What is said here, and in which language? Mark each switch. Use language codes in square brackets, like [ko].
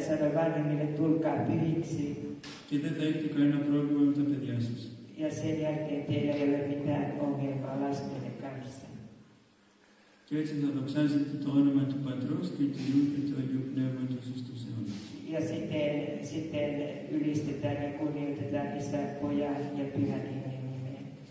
[fi] sanoi vanhemmille, tulkaa pyhiksi. [el] Και δεν θα έχετε κανένα πρόβλημα με τα παιδιά σας. [fi] Ja sen jälkeen teillä ei ole mitään ongelmaa lasten kanssa. [el] Και έτσι θα δοξάζετε το όνομα του Πατρός και του Υιού και του Αγίου Πνεύματος εις τους αιώνας. [fi] Ja sitten ylistetään ja kunnioitetaan Isä, Poja ja Pyhän Hengen nimeen.